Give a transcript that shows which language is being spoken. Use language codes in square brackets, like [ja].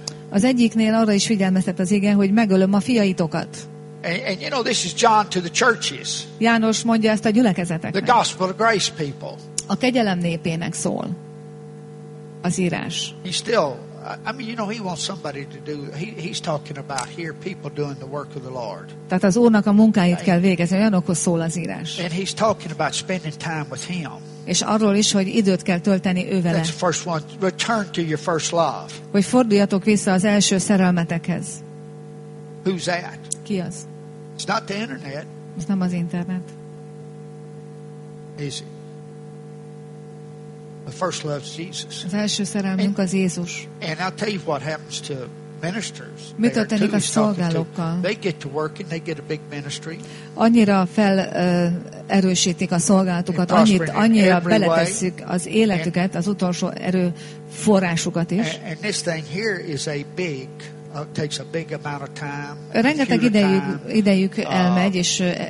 [hu] Az egyiknél arra is figyelmeztet az ige, hogy megölöm a fiaitokat. [en] And you know, this is John to the churches. [hu] János mondja ezt a gyülekezeteknek. [en] The gospel of grace people. [hu] A kegyelem népének szól az írás. [en] He's still, I mean, you know, he wants somebody to do, he's talking about here people doing the work of the Lord. [hu] Tehát az Úrnak a munkáit kell végezni, olyanokhoz szól az írás. [en] And he's talking about spending time with him. [hu] És arról is, hogy időt kell tölteni ővele. [en] That's the first one. Return to your first love. [hu] Hogy forduljatok vissza az első szerelmetekhez. [en] Who's that? [hu] Ki az? [en] It's not the internet. [hu] Ez nem az internet. [en] Is it? The first love is Jesus. [hu] Az első szerelmünk az Jézus. [en] And I'll tell you what happens to ministers. [hu] Mi történik a szolgálókkal? [en] They get to work and they get a big ministry. [hu] Annyira fel erősítik a szolgálatukat, annyira beletesszük az életüket, az utolsó erőforrásukat is. [en] And this thing here is a big. It takes a big amount of time. [hu] Rengeteg idejük elmegy, és